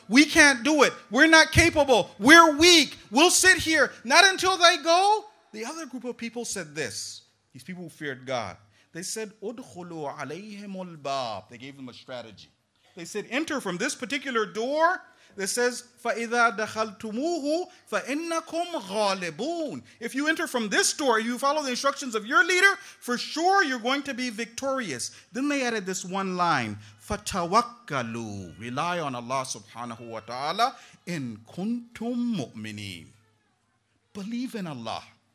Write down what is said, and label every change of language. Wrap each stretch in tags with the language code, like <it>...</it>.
<en>We can't do it. We're not capable. We're weak. We'll sit here. Not until they go. The other group of people said this. These people who feared God. They said,</en> <ar>udkhulu alayhim al-bab.</ar> <en>They gave them a strategy. They said, enter from this particular door. It says,</en> <ar>فَإِذَا دَخَلْتُمُوهُ فَإِنَّكُمْ غَالِبُونَ.</ar> <en>If you enter from this door, you follow the instructions of your leader, for sure you're going to be victorious. Then they added this one line, فَتَوَكَّلُوا. Rely on Allah subhanahu wa ta'ala,</en> <ar>إِن كُنْتُم مُؤْمِنِينَ.</ar> <en>Believe in Allah.</en>